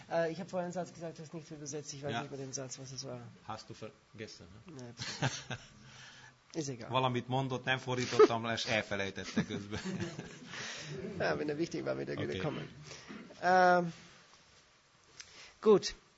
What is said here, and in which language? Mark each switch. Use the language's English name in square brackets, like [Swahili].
[German] Ich habe vorhin einen Satz gesagt, das nicht übersetzt, ich weiß nicht über den Satz, was es war. Hast du vergessen? [Hungarian] Ez igaz. Valamit mondott, nem fordítottam le, és elfelejtette közben. [German] Ja, wenn er wichtig war, wird er wieder kommen. Gut.